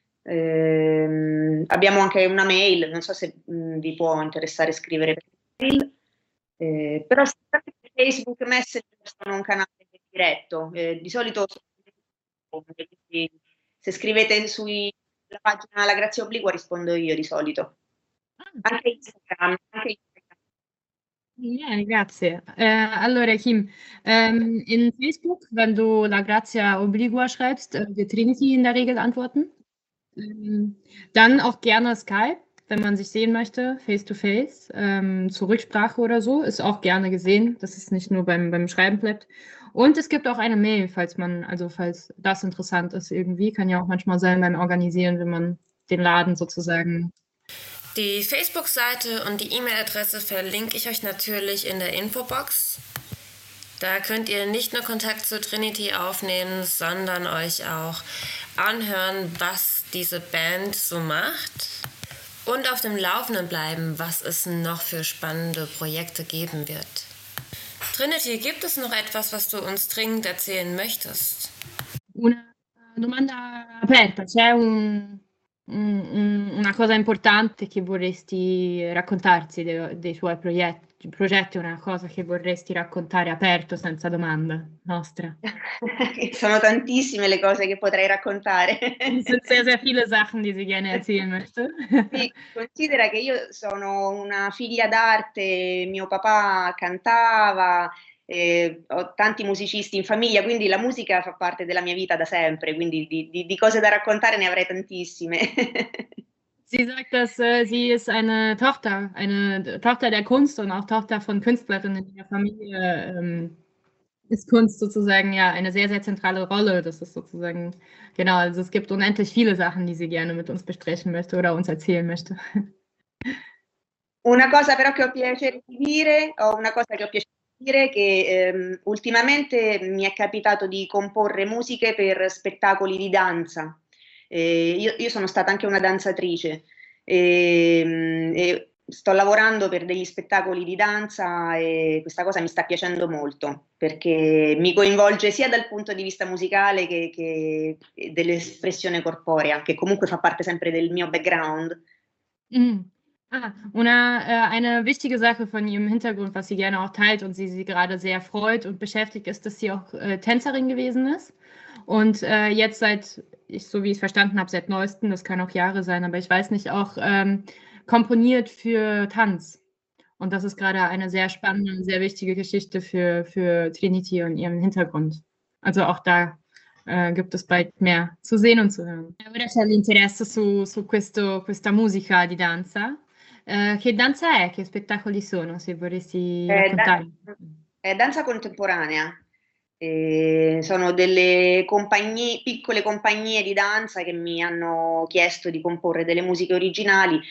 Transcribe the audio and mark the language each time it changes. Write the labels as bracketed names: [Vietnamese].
[Italian] Abbiamo anche una mail, non so se vi può interessare scrivere per mail. Però Facebook Messenger sono un canale diretto, di solito se scrivete sulla pagina La Grazia Obbligua rispondo io di solito, anche Instagram. Anche Instagram. Yeah, grazie. [German] Allora Kim, in Facebook, wenn du La Grazia Obbligua schreibst, wird Trinity in der Regel antworten, dann auch gerne Skype. Wenn man sich sehen möchte, face-to-face, zur Rücksprache oder so, ist auch gerne gesehen, dass es nicht nur beim Schreiben bleibt. Und es gibt auch eine Mail, falls das interessant ist irgendwie, kann ja auch manchmal sein beim Organisieren, wenn man den Laden sozusagen... Die Facebook-Seite und die E-Mail-Adresse verlinke ich euch natürlich in der Infobox. Da könnt ihr nicht nur Kontakt zu Trinity aufnehmen, sondern euch auch anhören, was diese Band so macht. Und auf dem Laufenden bleiben, was es noch für spannende Projekte geben wird. Trinity, gibt es noch etwas, was du uns dringend erzählen möchtest? [Italian] Una domanda aperta. C'è una cosa importante che vorresti raccontarci dei tuoi progetti, una cosa che vorresti raccontare aperto, senza domanda nostra? Sono tantissime le cose che potrei raccontare. [German] Sono sehr, sehr viele Sachen, die sie gerne erzählen möchte. [Italian] Considera che io sono una figlia d'arte, mio papà cantava, ho tanti musicisti in famiglia, quindi la musica fa parte della mia vita da sempre, quindi di cose da raccontare ne avrei tantissime. [German] Sie sagt, dass sie ist eine Tochter der Kunst und auch Tochter von Künstlerinnen in ihrer Familie. Ist Kunst sozusagen ja eine sehr, sehr zentrale Rolle. Das ist sozusagen, genau, also es gibt unendlich viele Sachen, die sie gerne mit uns besprechen möchte oder uns erzählen möchte. [Italian] Una cosa però che ho piacere di dire, o una cosa che ho piacere di dire, che ultimamente mi è capitato di comporre musiche per spettacoli di danza. Io sono stata anche una danzatrice e Sto lavorando per degli spettacoli di danza e questa cosa mi sta piacendo molto perché mi coinvolge sia dal punto di vista musicale che dell'espressione corporea, che comunque fa parte sempre del mio background. [German] Eine wichtige Sache von Ihrem Hintergrund, was Sie gerne auch teilt und Sie gerade sehr freut und beschäftigt, ist, dass Sie auch Tänzerin gewesen ist. Und jetzt seit, ich, so wie ich es verstanden habe, seit neuestem, das kann auch Jahre sein, aber ich weiß nicht, auch komponiert für Tanz. Und das ist gerade eine sehr spannende und sehr wichtige Geschichte für Trinity und Ihren Hintergrund. Also auch da gibt es bald mehr zu sehen und zu hören. [Italian] Ora c'è l'interesse su questa musica di danza. Che danza è? Che spettacoli sono, se vorresti raccontare? È danza contemporanea. Sono delle compagnie, piccole compagnie di danza che mi hanno chiesto di comporre delle musiche originali.